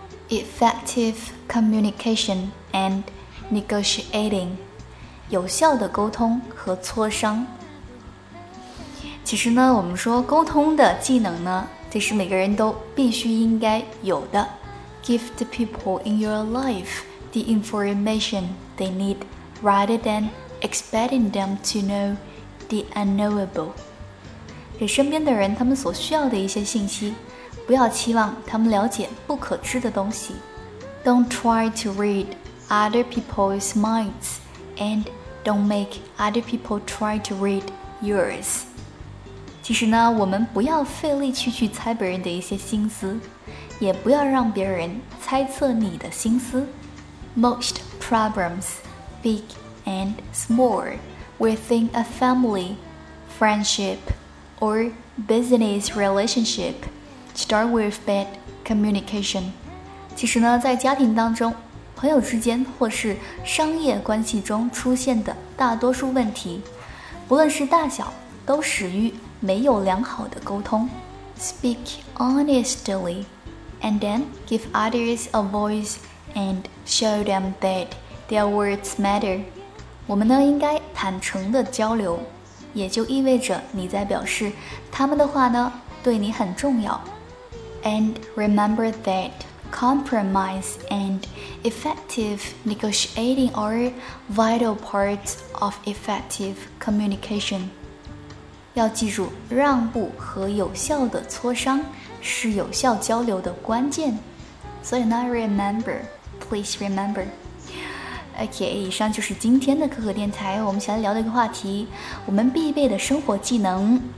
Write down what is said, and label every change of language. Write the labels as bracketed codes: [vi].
[en] Effective communication and negotiating. [zh] 有效的沟通和磋商。其实呢，我们说沟通的技能呢，这是每个人都必须应该有的。 [en] Give the people in your life the information they need rather than expecting them to know the unknowable. [zh] 给身边的人他们所需要的一些信息，不要期望他们了解不可知的东西。 [en] Don't try to read other people's minds and don't make other people try to read yours. [zh] 其实呢，我们不要费力去猜别人的一些心思，也不要让别人猜测你的心思。 [en] Most problems, big and small, within a family, friendship, or business relationship,Start with bad communication. [zh] 其实呢，在家庭当中，朋友之间或是商业关系中出现的大多数问题，不论是大小，都始于没有良好的沟通。 [en] Speak honestly, and then give others a voice and show them that their words matter. [zh] 我们呢，应该坦诚的交流，也就意味着你在表示他们的话呢，对你很重要。 [en] And remember that compromise and effective negotiating are vital parts of effective communication. [zh] 要记住，让步和有效的磋商是有效交流的关键。所以呢， [en] remember, please remember. [zh] OK, 以上就是今天的可可电台，我们想来聊的一个话题，我们必备的生活技能。